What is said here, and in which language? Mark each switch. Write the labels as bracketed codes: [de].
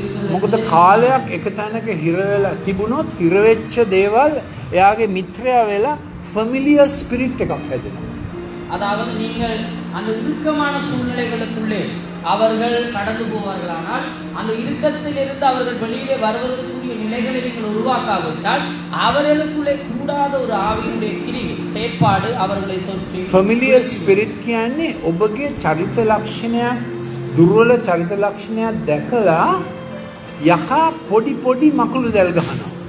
[si] මොකද කාලයක් එක තැනක හිරවෙලා තිබුණොත් හිරවෙච්ච දේවල් එයාගේ මිත්‍රයා වෙලා ෆැමිලියර් ස්පිරිට් එකක් හැදෙනවා. [ta] சூழ்நிலைகளுக்குள்ளே அவர்கள் கடந்து போவார்களானால் அந்த இருக்கத்திலிருந்து அவர்கள் வெளியிலே வருவதற்குரிய நிலைகளை நீங்கள் உருவாக்காவிட்டால் அவர்களுக்குள்ளே கூடாத ஒரு ஆவியுடைய கிரிவு செயற்பாடு அவர்களை தோற்று. [si] ஃபெமிலியர் ஸ்பிரிட் කියන්නේ ඔබගේ චරිත ලක්ෂණය, දුර්වල චරිත ලක්ෂණය දැකලා යකා පොඩි පොඩි මකුළු දැල් ගහනවා.